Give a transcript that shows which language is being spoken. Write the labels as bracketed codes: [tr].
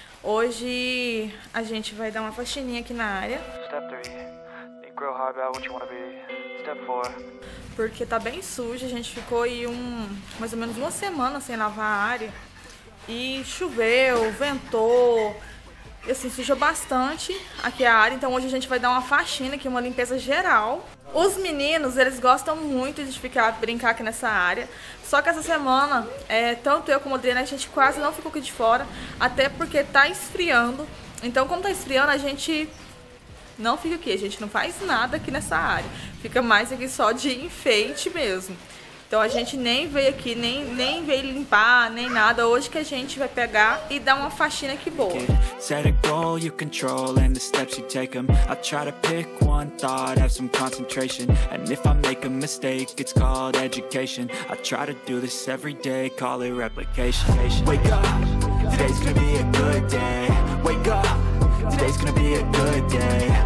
[pt] Hoje a gente vai dar uma faxininha aqui na área. [en] Step 3. Think real hard about what you want to be. Step 4. [pt] Porque tá bem sujo. A gente ficou aí mais ou menos uma semana sem lavar a área. E choveu, ventou. E assim, sujou bastante aqui a área. Então hoje a gente vai dar uma faxina aqui, uma limpeza geral. Os meninos, eles gostam muito de ficar brincar aqui nessa área. Só que essa semana, tanto eu como a Adriana, a gente quase não ficou aqui de fora, até porque tá esfriando. Então, como tá esfriando, a gente não fica aqui, a gente não faz nada aqui nessa área. Fica mais aqui só de enfeite mesmo. Então, a gente nem veio aqui, nem veio limpar, nem nada. Hoje que a gente vai pegar e dar uma faxina aqui boa. [en] Set a goal you control and the steps you take them. I try to pick one thought, have some concentration. And if I make a mistake, it's called education. I try to do this every day, call it replication. Wake up, today's gonna be a good day. Wake up, today's gonna be a good day.